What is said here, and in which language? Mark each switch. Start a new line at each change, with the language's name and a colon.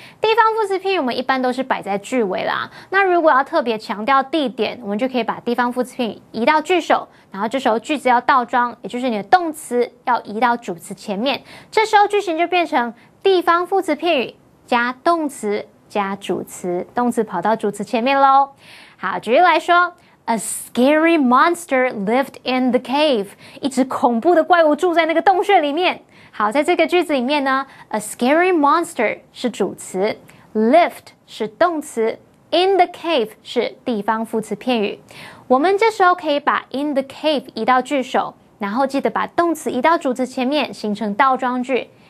Chinese: 地方副词片语我们一般都是摆在句尾啦。那如果要特别强调地点，我们就可以把地方副词片语移到句首，然后这时候句子要倒装，也就是你的动词要移到主词前面。这时候句型就变成地方副词片语加动词加主词，动词跑到主词前面咯。好，举例来说，
English: A scary monster lived in the cave.
Chinese: 一只恐怖的怪物住在那个洞穴里面。好，在这个句子里面呢，
English: A scary monster
Chinese: 是主词， lived 是动词，
English: in the cave
Chinese: 是地方副词片语。我们这时候可以把
English: in the cave
Chinese: 移到句首，然后记得把动词移到主词前面，形成倒装句。